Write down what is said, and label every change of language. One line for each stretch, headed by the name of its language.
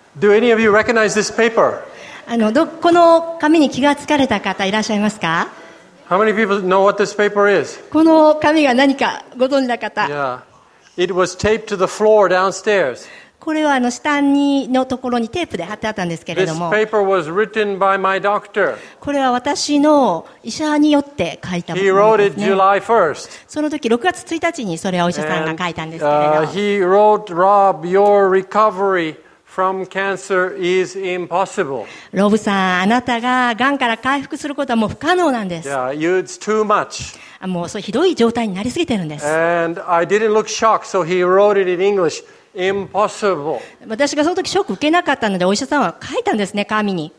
English: Do any of you recognize this paper?
Japanese: この紙に気がつかれた方いらっしゃいますか?
English: How many people know what this paper is?
Japanese: この紙が何かご存知な方?
English: Yeah. It was taped to the floor downstairs.
Japanese: これは下にのところにテープで貼ってあったんですけれども。
English: This paper was written by my doctor.
Japanese: これは私の医者によって書いたものですね。
English: He wrote it July 1st.
Japanese: その時6月1日にそれはお医者さんが書いたんですけれども。
English: He wrote, Rob, your recovery. From cancer is impossible.
Japanese: ロブさん、あなたががんから回復することはもう不可能なんです。
English: Yeah, you, it's too much.
Japanese: もうそれひどい状態になりすぎてるんです。
English: And I didn't look shocked, so he wrote it in English. Impossible.
Japanese: 私がその時ショック受けなかったので、お医者さんは書いたんですね、紙に。